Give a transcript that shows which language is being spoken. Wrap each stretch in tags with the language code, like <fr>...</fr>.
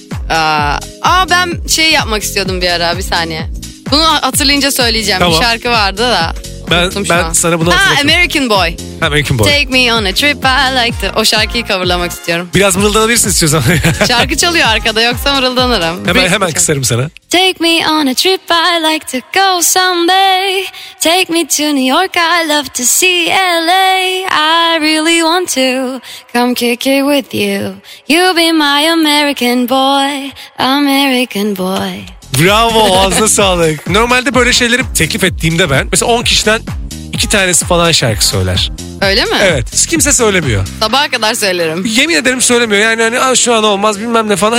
<tr>Aa, ben şey yapmak istiyordum bir ara, bir saniye. Bunu hatırlayınca söyleyeceğim. Tamam. Bir şarkı vardı da. Ben sana bunu hatırlatayım. Ha, American Boy. American Boy.</tr> <en>Take me on a trip I like the...</en> <tr>O şarkıyı coverlamak istiyorum. Biraz mırıldanabilirsin istiyorsan. Şarkı çalıyor arkada, yoksa mırıldanırım. Hemen kısarım sana.</tr> <en>Take me on a trip I like to go someday. Take me to New York, I love to see LA. I really want to come kick it with you. You be my American boy, American boy.</en> <tr>Bravo, ağzına sağlık. Normalde böyle şeyleri teklif ettiğimde ben, mesela 10 kişiden 2 tanesi falan şarkı söyler. Öyle mi? Evet. Kimse söylemiyor. Sabaha kadar söylerim. Yemin ederim söylemiyor. Yani hani şu an olmaz bilmem ne falan.</tr>